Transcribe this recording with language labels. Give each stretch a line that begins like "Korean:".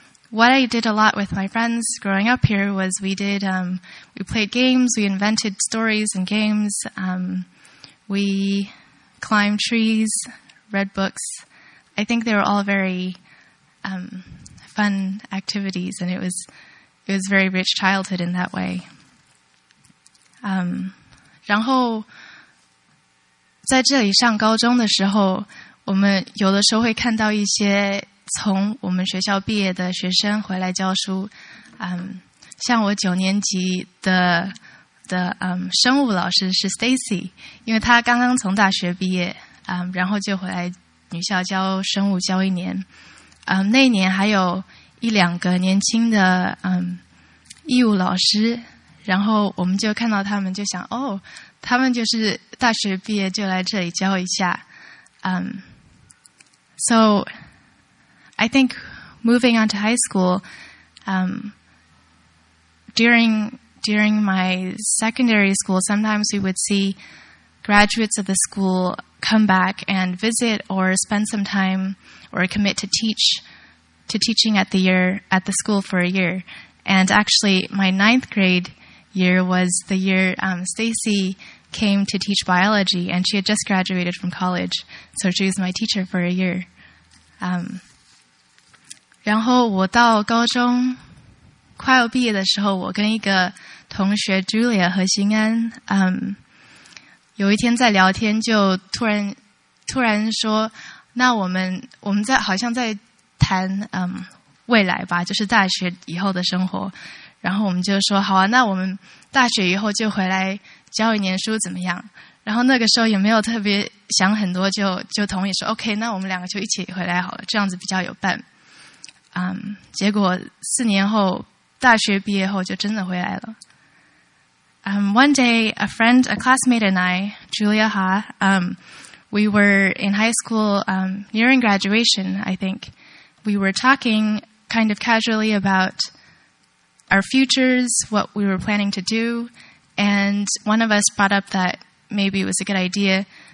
English: What I did a lot with my friends growing up here was we played games, we invented stories and games, we climbed trees, read books. I think they were all very fun activities, and it was very rich childhood in that way.
Chinese: 然后在这里上高中的时候，我们有的时候会看到一些从我们学校毕业的学生回来教书。像我九年级的生物老师是 Stacy， 因为她刚刚从大学毕业，然后就回来女校教生物教一年。那一年还有一两个年轻的义务老师，然后我们就看到他们就想，哦，他们就是大学毕业就来这里教一下。
English: So I think moving on to high school, during my secondary school, sometimes we would see graduates of the school come back and visit or spend some time or commit to teaching at the school for a year. And actually my ninth grade year was the year Stacy came to teach biology, and she had just graduated from college, so she was my teacher for a year.
Chinese: 然后我到高中快要毕业的时候，我跟一个同学 Julia 和欣安，有一天在聊天，就突然说，那我们在好像在谈未来吧，就是大学以后的生活。然后我们就说好啊，那我们大学以后就回来教一年书怎么样？然后那个时候也没有特别想很多，就同意说 OK， 那我们两个就一起回来好了，这样子比较有伴。结果四年后大学毕业后就真的回来了。
English: One day, a friend, a classmate and I, Julia Ha, we were in high school, nearing graduation, I think. We were talking kind of casually about our futures, what we were planning to do, and one of us brought up that maybe it was a good idea.